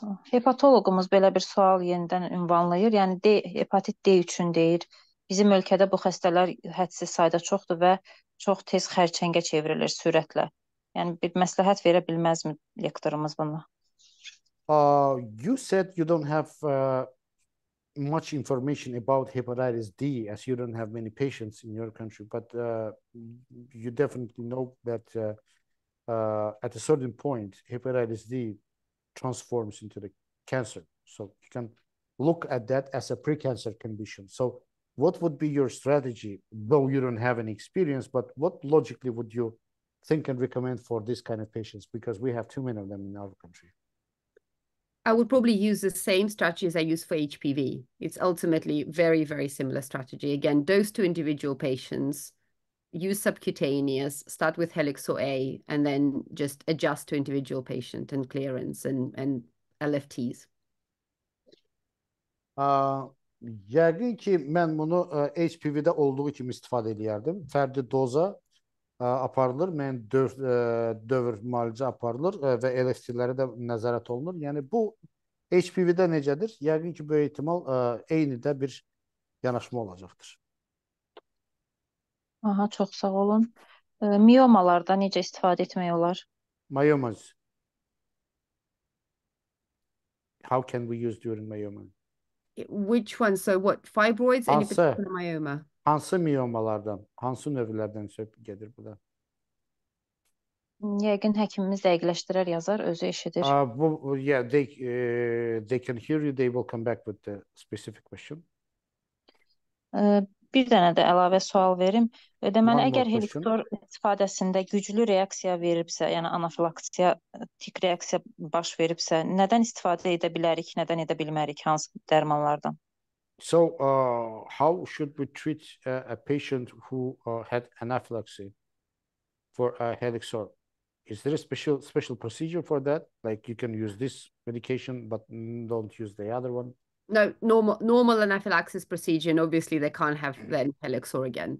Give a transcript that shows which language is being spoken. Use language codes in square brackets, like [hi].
[az] Hepatologumuz belə bir sual yenidən ünvanlayır. Yəni, hepatit D üçün deyir. Bizim ölkədə bu xəstələr hədsiz sayda çoxdur və çox tez xərçəngə çevrilir sürətlə. Yəni, bir məsləhət verə bilməzmi lektorumuz bunu? [en] You said you don't have much information about hepatitis D, as you don't have many patients in your country, but you definitely know that at a certain point, hepatitis D transforms into the cancer. So you can look at that as a precancer condition. So what would be your strategy, though you don't have any experience, but what logically would you think and recommend for this kind of patients? Because we have too many of them in our country. I would probably use the same strategy as I use for HPV. It's ultimately very, very similar strategy. Again, dose to individual patients, use subcutaneous, start with Helixor A, and then just adjust to individual patient and clearance and LFTs. [az] Yəqin ki, mən bunu HPV-də olduğu kimi istifadə edərdim. Fərdi doza aparılır, mən dövr müalicə aparılır və LFT-ləri də nəzarət olunur. Yəni bu HPV-də necədir? Yəqin ki, böyük ehtimal eyni də bir yanaşma olacaqdır. Aha, çox sağ olun. Miyomalarda necə istifadə etmək olar? [en] Mayomas. How can we use during mayoma? Which one? So what? Fibroids and [az] Hansı? [en] particular myoma. [az] Hansı miyomalardan, hansı növlərdən söhbət gedir burada? Yəqin həkimimiz dəqiqləşdirər, yazar, özü eşidir. [en] They can hear you, they will come back with the specific question. [az] Bir dənə də əlavə sual verim. Deməli, [en] One [az] əgər [en] more question. [az] Helixor istifadəsində güclü reaksiya veribsə, yəni anafilaksiya, tik reaksiya baş veribsə, nədən istifadə edə bilərik, nədən edə bilmərik, hansı dərmanlardan? [en] So, how should we treat a patient who had anaphylaxis for Helixor? Is there a special procedure for that? Like you can use this medication, but don't use the other one? No, normal anaphylaxis procedure, and obviously they can't have then Helixor again.